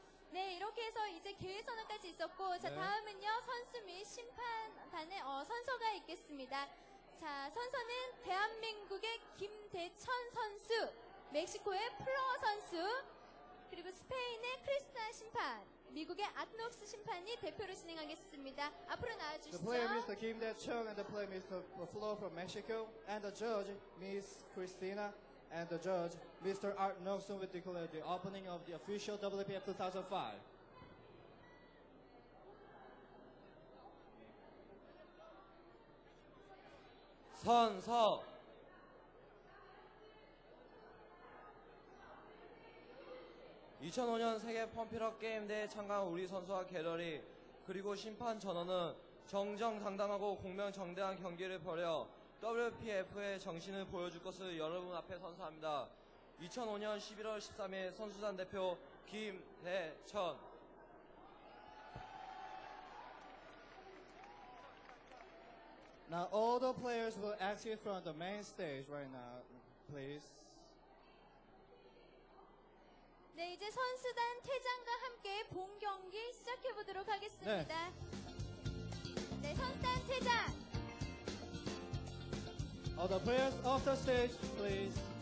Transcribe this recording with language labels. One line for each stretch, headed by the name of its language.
Korean: 네, 이렇게 해서 이제 개회 선언까지 있었고, 자, 네. 다음은요, 선수 및 심판단의 선서가 있겠습니다. 자, 선서는 대한민국의 김대천 선수, 멕시코의 플로어 선수, 그리고 스페인의 크리스타 심판, 미국의 아트녹스 심판이 대표로 진행하겠습니다. 앞으로 나와 주시죠.
English: The player Mr. Kim Dae-chung and the player Mr. Floor from Mexico and the judge Miss Christina. And the judge, Mr. Art Nelson, will declare the opening of the official WPF 2005. Son, so.
Korean: 2005년 세계 펌필업 게임 대회에 참가한 우리 선수와 갤러리, 그리고 심판 전원은 정정당당하고 공명정대한 경기를 벌여 WPF의 정신을 보여줄 것을 여러분 앞에 선사합니다. 2005년 11월 13일 선수단 대표 김대천.
English: 나 all the players will exit from the main stage right now, please.
Korean: 네, 이제 선수단 퇴장과 함께 본 경기 시작해 보도록 하겠습니다. 네, 선수단 퇴장.
English: All the players off the stage, please.